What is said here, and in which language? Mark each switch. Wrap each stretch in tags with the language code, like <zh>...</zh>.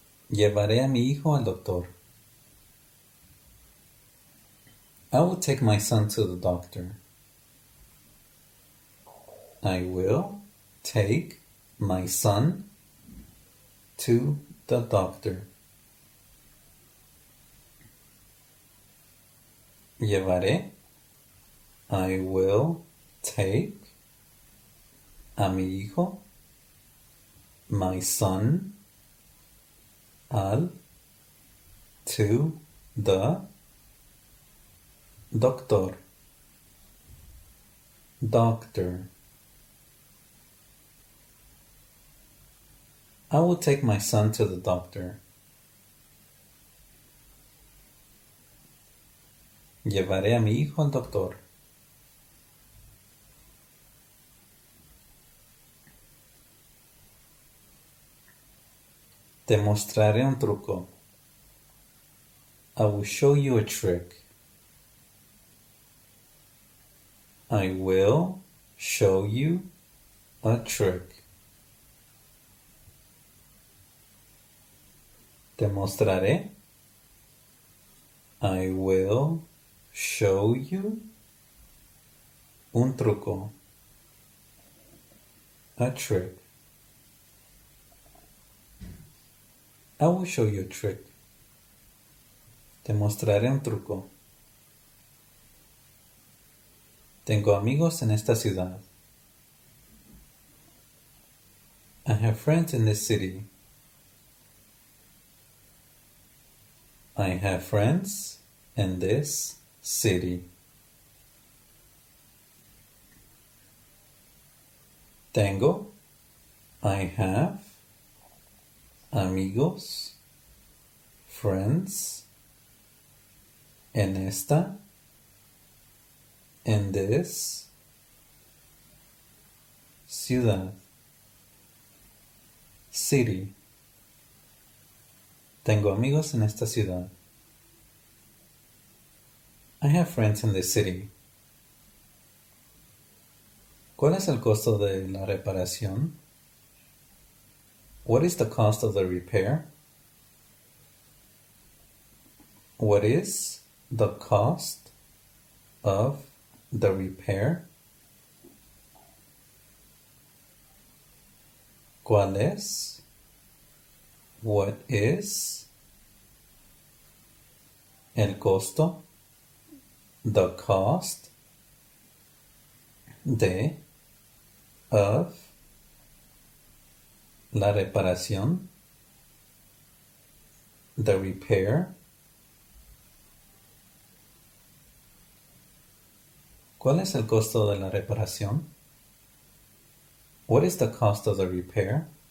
<es>Llevaré a mi hijo al doctor.</es> <en>I will take my son to the doctor. I will take my son to the doctor.</en> <es>Llevaré.</es> <en>I will take</en> <es>a mi hijo</es> <en>my son</en> <es>al</es> <en>to the doctor. Doctor. I will take my son to the doctor.</en> <es>Llevaré a mi hijo al doctor. Te mostraré un truco.</es> <en>I will show you a trick. I will show you a trick.</en> <es>Te mostraré.</es> <en>I will show you</en> <es>un truco.</es> <en>A trick. I will show you a trick.</en> <es>Te mostraré un truco. Tengo amigos en esta ciudad.</es> <en>I have friends in this city. I have friends in this city.</en> <es>Tengo.</es> <en>I have.</en> <es>Amigos,</es> <en>friends,</en> <es>en esta,</es> <en>in this,</en> <es>ciudad,</es> <en>city.</en> <es>Tengo amigos en esta ciudad.</es> <en>I have friends in this city.</en> <es>¿Cuál es el costo de la reparación?</es> <en>What is the cost of the repair? What is the cost of the repair?</en> <es>¿Cuál es?</es> <en>What is</en> <es>el costo?</es> <en>The cost</en> <es>de</es> <en>of</en> <es>la reparación,</es> <en>the repair.</en> <es>¿Cuál es el costo de la reparación?</es> <en>What is the cost of the repair?</en>